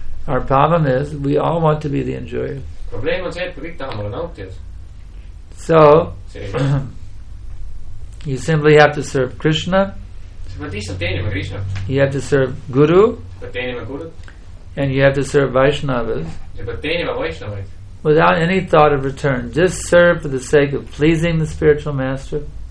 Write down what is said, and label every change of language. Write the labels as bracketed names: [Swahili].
[English] Our problem is we all want to be the enjoyer. [Estonian] Probleem on see, et me kõik tahame olla nautijad. [English] So, you simply have to serve Krishna. You have to serve Guru. And you have to serve Vaishnavas. Without any thought of return. Just serve for the sake of pleasing the spiritual master.